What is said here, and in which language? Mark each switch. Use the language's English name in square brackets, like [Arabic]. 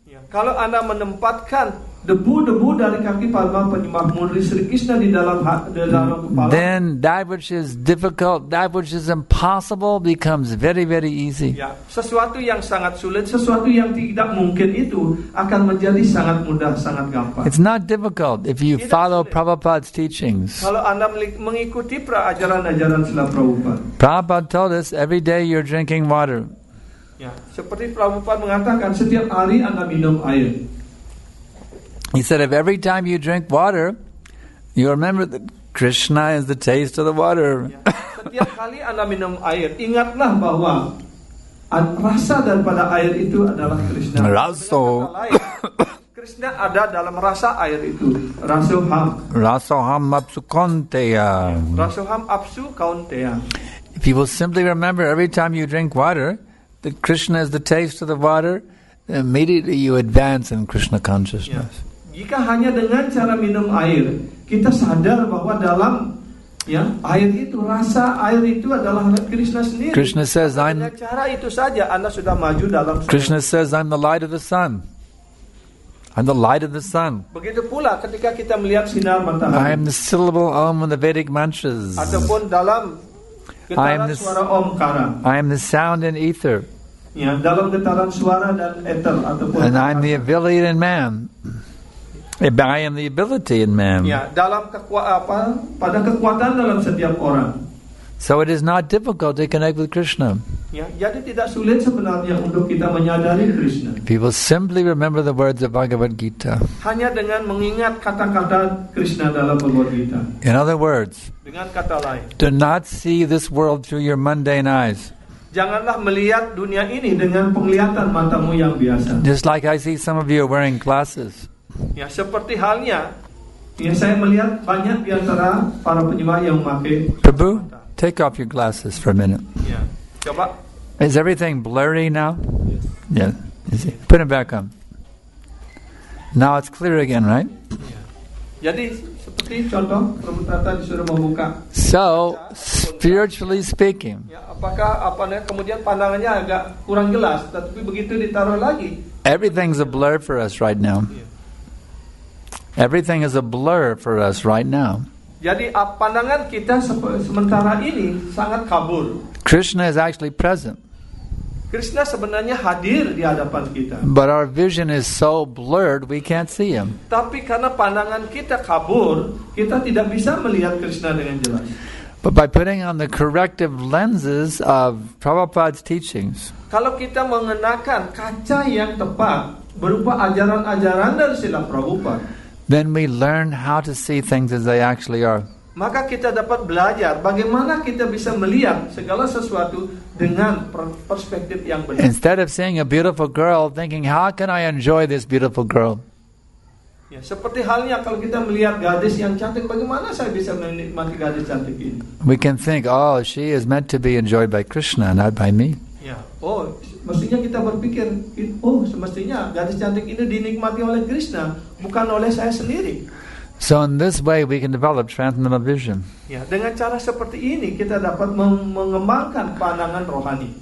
[Indonesian] Kalau Anda menempatkan debu-debu dari kaki para penyembah murti Sri Krishna di dalam kepala, [English] then that which is difficult, that which is impossible becomes very, very easy. [Indonesian] Ya, sesuatu yang sangat sulit, sesuatu yang tidak mungkin itu akan menjadi sangat mudah, sangat gampang. [English] It's not difficult if you follow Prabhupada's teachings. [Indonesian] Kalau Anda mengikuti ajaran-ajaran Srila Prabhupada. [English] Prabhupada told us every day you're drinking water. [Indonesian] Ya, seperti Prabhupada mengatakan setiap hari Anda minum air. [English] He said, if every time you drink water, you remember that Krishna is the taste of the water. [Indonesian] Setiap kali Anda minum air, ingatlah bahwa rasa daripada air itu adalah Krishna. [Sanskrit] Raso. [Indonesian] Krishna ada dalam rasa air itu. Rasoham. [Sanskrit] Rasoham apsu kaunteya. Rasoham apsu kaunteya. [English] If you will simply remember every time you drink water, that Krishna is the taste of the water, immediately you advance in Krishna consciousness. Yes. [Indonesian] Jika hanya dengan cara minum air, kita sadar bahwa dalam ya, air itu, rasa air itu adalah Krishna sendiri. [English] Krishna says, I'm, [Indonesian] cara itu saja, Anda sudah maju dalam Krishna sendiri. [English] Says, I'm the light of the sun. I'm the light of the sun. [Indonesian] Begitu pula ketika kita melihat sinar matahari. [English] I am the syllable om in the Vedic mantras. [Indonesian] Ataupun dalam getaran suara omkara. [English] I am the sound in ether. [Indonesian] Ya, dalam getaran suara dan ether. Ataupun [English] and I'm the ability in man. I am the ability in man. [Indonesian] Ya, dalam pada kekuatan dalam setiap orang. [English] So it is not difficult to connect with Krishna. [Indonesian] Ya, jadi tidak sulit sebenarnya untuk kita menyadari Krishna. [English] People simply remember the words of Bhagavad Gita. [Indonesian] Hanya dengan mengingat kata-kata Krishna dalam Bhagavad Gita. [English] In other words, [Indonesian] dengan kata lain, [English] do not see this world through your mundane eyes. [Indonesian] Janganlah melihat dunia ini dengan penglihatan matamu yang biasa. [English] Just like I see some of you are wearing glasses. [Indonesian] Ya, seperti halnya ya, saya melihat banyak di antara para penyembah yang memakai [English] Prabhu, take off your glasses for a minute. [Indonesian] Ya, coba. [English] Is everything blurry now? Yes. Yeah. See, put it back on. Now it's clear again, right? [Indonesian] Ya. Jadi seperti contoh Prabhu Tata disuruh membuka. [English] So, spiritually speaking. [Indonesian] Ya, apakah apanya kemudian pandangannya agak kurang jelas, tetapi begitu ditaruh lagi. [English] Everything's a blur for us right now. Ya. Everything is a blur for us right now. [Indonesian] Jadi pandangan kita sementara ini sangat kabur. [English] Krishna is actually present. [Indonesian] Krishna sebenarnya hadir di hadapan kita. [English] But our vision is so blurred we can't see him. [Indonesian] Tapi karena pandangan kita kabur, kita tidak bisa melihat Krishna dengan jelas. [English] But by putting on the corrective lenses of Prabhupada's teachings. [Indonesian] Kalau kita mengenakan kaca yang tepat berupa ajaran-ajaran dari Srila Prabhupada, [English] then we learn how to see things as they actually are. [Indonesian] Maka kita dapat belajar bagaimana kita bisa melihat segala sesuatu dengan perspektif yang benar. [English] Instead of seeing a beautiful girl, thinking, how can I enjoy this beautiful girl? [Indonesian] Ya, seperti halnya kalau kita melihat gadis yang cantik, bagaimana saya bisa menikmati gadis cantik ini? [English] We can think, oh, she is meant to be enjoyed by Krishna, not by me. [Indonesian] Ya, oh, mestinya kita berpikir, oh, semestinya gadis cantik ini dinikmati oleh Krishna, bukan oleh saya sendiri. [English] So in this way we can develop transcendental vision. [Indonesian] Ya, dengan cara seperti ini kita dapat mengembangkan pandangan rohani.